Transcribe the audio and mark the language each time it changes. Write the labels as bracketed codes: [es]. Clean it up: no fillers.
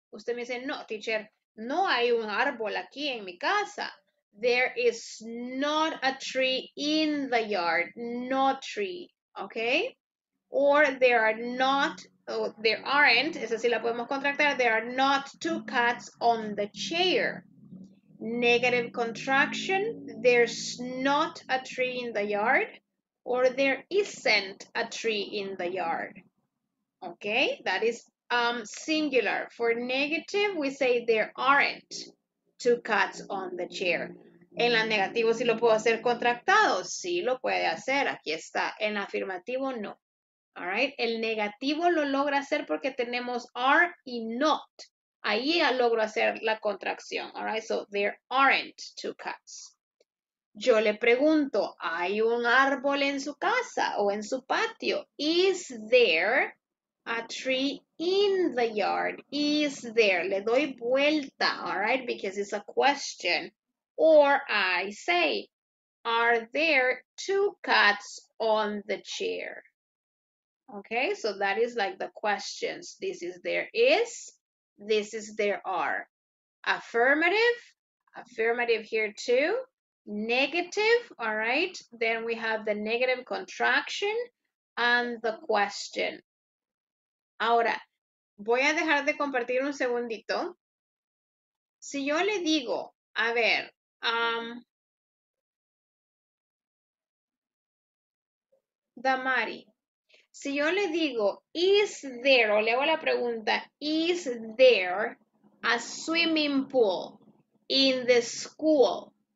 [es] Usted me dice, no, teacher, no hay un árbol aquí en mi casa. [en] There is not a tree in the yard. No tree. Okay? Or there are not. Oh, there aren't, [es] esa sí la podemos contractar, [en] there are not two cats on the chair. Negative contraction, there's not a tree in the yard, or there isn't a tree in the yard. Okay, that is singular. For negative, we say there aren't two cats on the chair. [es] En la negativa sí lo puedo hacer contractado, sí lo puede hacer, aquí está. En afirmativo, no. All right, el negativo lo logra hacer porque tenemos are y not. Ahí ya logro hacer la contracción. [en] All right, so there aren't two cats. [es] Yo le pregunto, ¿hay un árbol en su casa o en su patio? [en] Is there a tree in the yard? Is there? [es] Le doy vuelta, [en] all right, because it's a question. Or I say, are there two cats on the chair? Okay, so that is like the questions. This is there is, this is there are. Affirmative, affirmative here too. negative, all right? Then we have the negative contraction and the question. [es] Ahora, voy a dejar de compartir un segundito. Si yo le digo, a ver, Damari, si yo le digo, [en] is there, o le hago la pregunta, is there a swimming pool in the school?